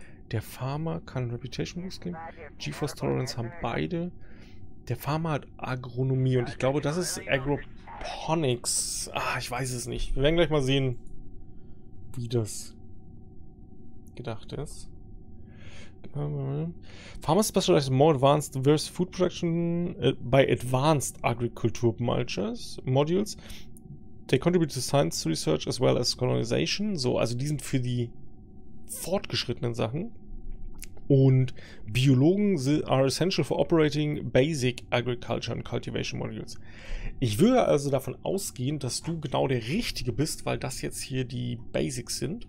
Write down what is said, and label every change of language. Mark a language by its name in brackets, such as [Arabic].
[German] Der Farmer kann Reputation-Boost geben. GeForce-Tolerance haben beide. Der Farmer hat Agronomie und ich glaube, das ist Agroponics. Ah, ich weiß es nicht. Wir werden gleich mal sehen, wie das gedacht ist. [English] Farmer specializes more advanced diverse food production by advanced agriculture modules. They contribute to science research as well as colonization. [German] So, also die sind für die fortgeschrittenen Sachen. Und Biologen [English] are essential for operating basic agriculture and cultivation modules. [German] Ich würde also davon ausgehen, dass du genau der Richtige bist, weil das jetzt hier die Basics sind.